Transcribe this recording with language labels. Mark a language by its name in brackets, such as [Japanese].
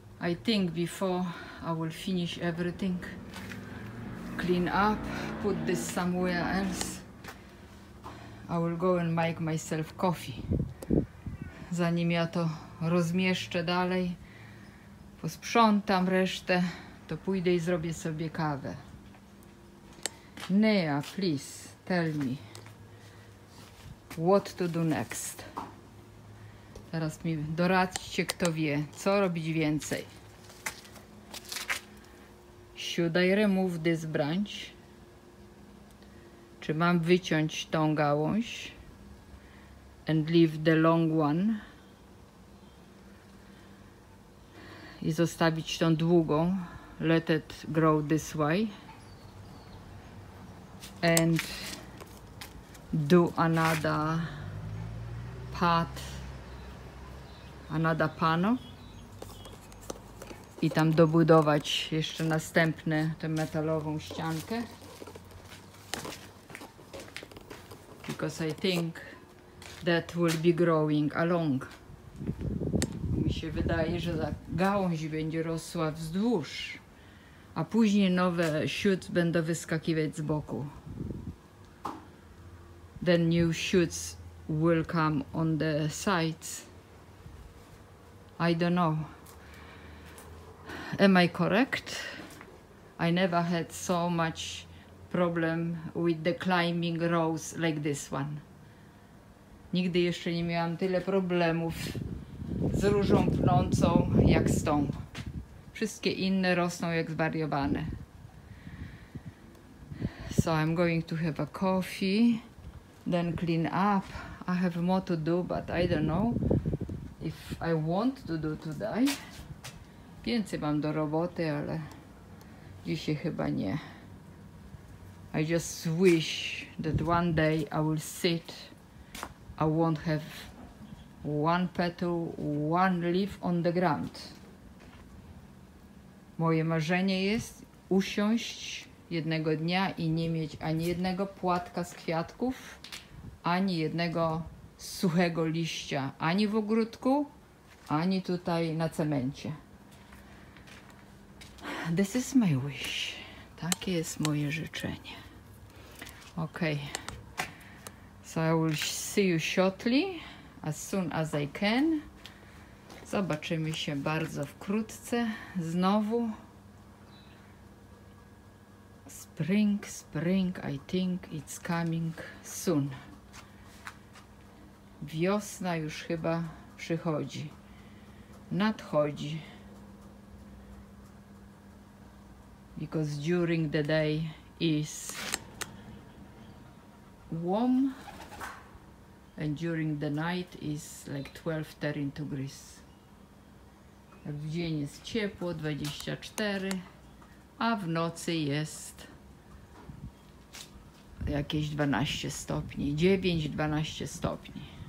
[English] I think before I will finish everything, clean up, put this somewhere else, I will go and make myself coffee. [Polish] Zanim ja to rozmieszczę dalej, posprzątam resztę, to pójdę i zrobię sobie kawę. [English] Nea, please, tell me, what to do next. [Polish] Teraz mi doradźcie, kto wie, co robić więcej. [English] Should I remove this branch? [Polish] Czy mam wyciąć tą gałąź? [English] And leave the long one? [Polish] I zostawić tą długą? [English] Let it grow this way. And do another path, another panel. [Polish] I tam dobudować jeszcze następne, tę metalową ściankę. [English] Because I think that will be growing along. [Polish] Mi się wydaje, że ta gałąź będzie rosła wzdłuż, a później nowe shoots będą wyskakiwać z boku. [English] Then new shoots will come on the sides. I don't know. Am I correct? I never had so much problem with the climbing rows like this one. [Polish] Nigdy jeszcze nie miałam tyle problemów z różą pnącą jak z tą. Wszystkie inne rosną jak zwariowane. [English] So I'm going to have a coffee, then clean up. I have more to do, but I don't know if I want to do today. [Polish] Więcej mam do roboty, ale dzisiaj chyba nie. [English] I just wish that one day I will sit, I won't have one petal, one leaf on the ground. [Polish] Moje marzenie jest usiąść jednego dnia i nie mieć ani jednego płatka z kwiatków, ani jednego suchego liścia, ani w ogródku, ani tutaj na cemencie. [English] This is my wish. [Polish] Takie jest moje życzenie. [English] Okay. So I will see you shortly, as soon as I can. [Polish] Zobaczymy się bardzo wkrótce. Znowu. [English] Spring, I think it's coming soon. [Polish] Wiosna już chyba przychodzi. Nadchodzi. [English] because during the day is warm and during the night is like 12-13 degrees. [Polish] W dzień jest ciepło, 24, a w nocy jest jakieś 12 stopni, 9-12 stopni.